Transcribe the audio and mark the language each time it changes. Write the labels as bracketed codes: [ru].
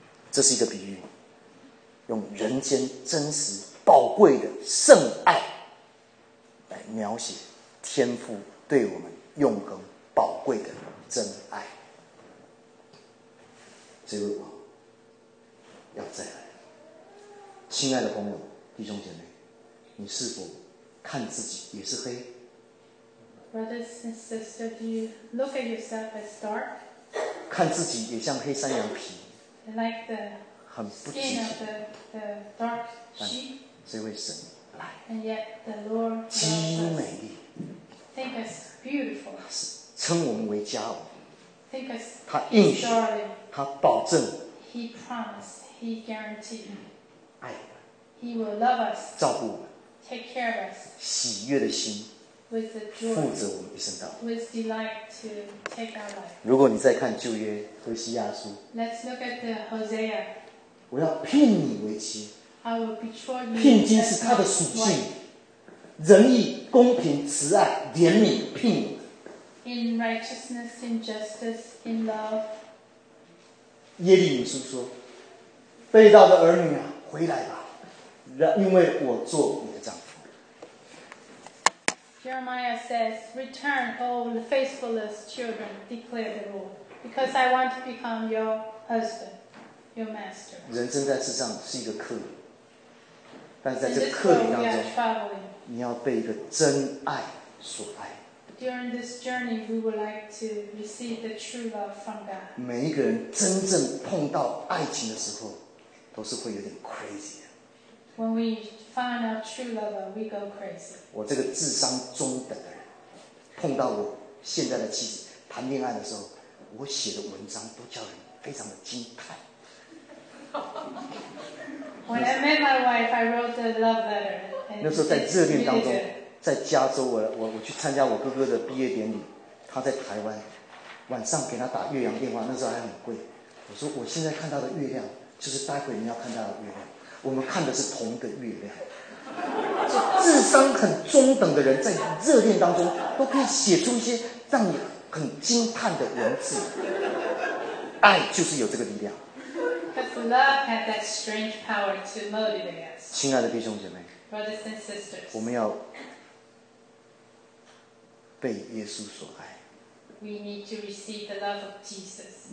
[zh] 这是一个比喻，用人间真实宝贵的圣爱来描写天父对我们永恒宝贵的真爱。这位王要再来，亲爱的朋友弟兄姐妹，你是否看自己也是黑？ [en] Brothers and sisters, do you look at yourself as dark? [zh] 看自己也像黑山羊皮， [en] like the skin of the dark sheep. [zh] 这位神来， [en] and yet the Lord loves us. [zh] 极美丽， [en] think us beautiful. [zh] 称我们为佳偶， [en] think us. [zh] 他应许，他保证， [en] he promised, he guaranteed. [zh] 爱我， [en] he will love us. [zh] 照顾我们， [en] take care of us. [zh] 喜悦的心， [en] with the joy. [zh] 负责我们一生道， [en] with delight to take our life. [zh] 如果你再看旧约和西亚书， [en] let's look at the Hosea. [zh] 我要聘你为妻。 [en] I will betroth you. [zh] 聘金是他的属性，仁义、公平、慈爱、怜悯，聘你。 [en] In righteousness, in justice, in love. [zh] 耶利米书说：“被盗的儿女啊，回来吧，因为我做你的丈夫。” [en] Jeremiah says, "Return, O faithless children," declared the Lord, "because I want to become your husband. Your master. [zh] 人生在世上是一个客旅，但是在这客旅当中，你要被一个真爱所爱。 [en] During this journey, we would like to receive the true love from God. [zh] 每一个人真正碰到爱情的时候，都是会有点 crazy 的。 [en] When we find our true lover, we go crazy. [zh] 我这个智商中等的人，碰到我现在的妻子谈恋爱的时候，我写的文章都叫人非常的惊叹。 [en] When I met my wife, I wrote a love letter. [zh] 那时候在热恋当中，在加州，我去参加我哥哥的毕业典礼，他在台湾，晚上给他打岳阳电话，那时候还很贵。我说我现在看到的月亮，就是待会你要看到的月亮，我们看的是同一个月亮。智商很中等的人，在热恋当中都可以写出一些让你很惊叹的文字。爱就是有这个力量。 [en] Love has that strange power to motivate us. [zh] 亲爱的弟兄姐妹， [en] brothers and sisters, [zh] 我们要被耶稣所爱。 [en] We need to receive the love of Jesus.